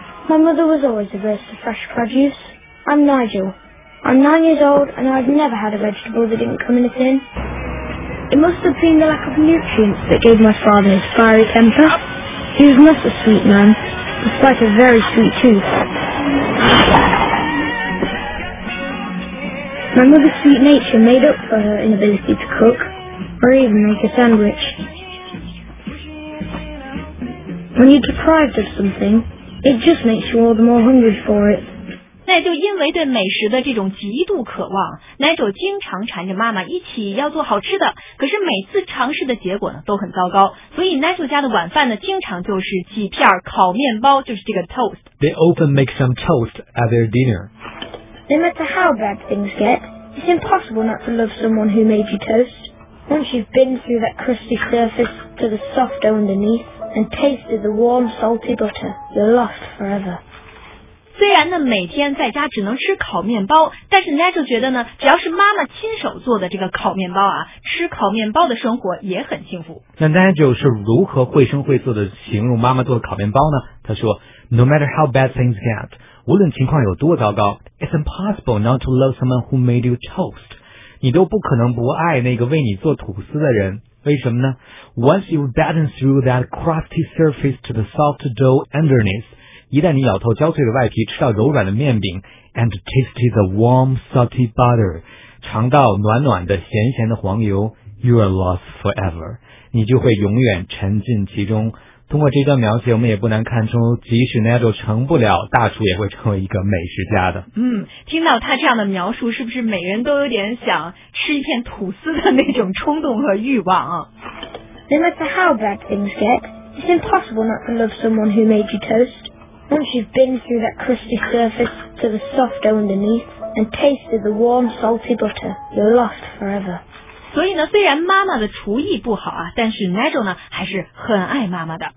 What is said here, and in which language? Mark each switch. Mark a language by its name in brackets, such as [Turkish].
[English] My mother was always averse to fresh produce I'm Nigel I'm 9 years old and I've never had a vegetable that didn't come in a tin It must have been the lack of nutrients that gave my father his fiery temper He was not a sweet man despite a very sweet toothMy mother's sweet nature made up for her inability to cook, or even make a sandwich. When you're deprived of something, it just makes you all the more hungry for it. [Chinese] 那就因为对美食的这种极度渴望 ，Nigel 经常缠着妈妈一起要做好吃的，可是每次尝试的结果呢都很糟糕。所以 Nigel 家的晚饭呢，经常就是几片烤面包，就是这个 toast. [English] They often make some toast at their dinner. No matter how bad things get, it's impossible not to love someone who made you toast. Once you've been through that crusty surface to the soft dough underneath and tasted the warm, salty butter, you're lost forever. [Chinese] 虽然呢每天在家只能吃烤面包，但是 Nigel 觉得呢，只要是妈妈亲手做的这个烤面包啊，吃烤面包的生活也很幸福。那 Nigel 是如何绘声绘色的形容妈妈做的烤面包呢？他说 [English] ，No matter how bad things get. [Chinese] 无论情况有多糟糕 [English] It's impossible not to love someone who made you toast [Chinese] 你都不可能不爱那个为你做吐司的人为什么呢 [English] Once you've battened through that crusty surface to the soft dough underneath [Chinese] 一旦你咬透焦脆的外皮吃到柔软的面饼 [English] And tasted the warm salty butter [Chinese] 尝到暖暖的咸咸的黄油 [English] You are lost forever [Chinese] 你就会永远沉浸其中通过这段描写我们也不难看出即使 Nigel 成不了大厨也会成为一个美食家的嗯，听到他这样的描述是不是每人都有点想吃一片吐司的那种冲动和欲望啊 [English] No matter how bad things get It's impossible not to love someone who made you toast Once you've been through that crusty surface to the soft dough underneath and tasted the warm salty butter You're lost forever [Japanese] それに、 [Chinese] 虽然妈妈的厨艺不好啊、但是 Nigel 呢、还是很爱妈妈的。